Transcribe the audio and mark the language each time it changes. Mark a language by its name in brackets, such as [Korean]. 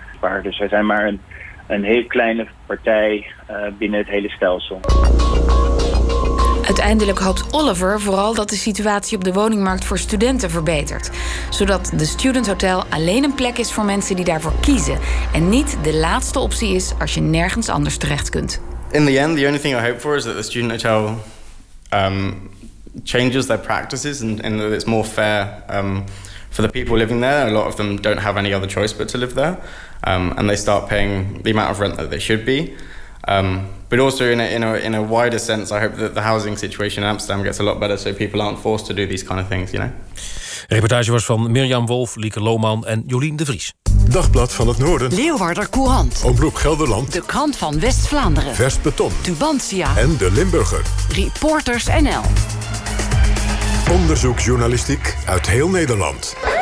[Dutch] Maar dus wij zijn maar een heel kleine partij binnen het hele stelsel. Uiteindelijk hoopt Oliver vooral dat de situatie op de woningmarkt voor studenten verbetert. Zodat de Student Hotel alleen een plek is voor mensen die daarvoor kiezen. En niet de laatste optie is als je nergens anders terecht kunt. [English] In the end, the only thing I hope for is that the Student Hotel changes their practices and that it's more fair for the people living there. A lot of them don't have any other choice but to live there. And they start paying the amount of rent that they should be. But also in a wider sense, I hope that the housing situation in Amsterdam gets a lot better, so people aren't forced to do these kind of things, you know. [Dutch] Reportage was van Mirjam Wolf, Lieke Lohman en Jolien de Vries. Dagblad van het Noorden. Leeuwarder Courant. Omroep Gelderland. De Krant van West-Vlaanderen. Vers Beton. Tubantia. En De Limburger. Reporters NL. Onderzoeksjournalistiek uit heel Nederland.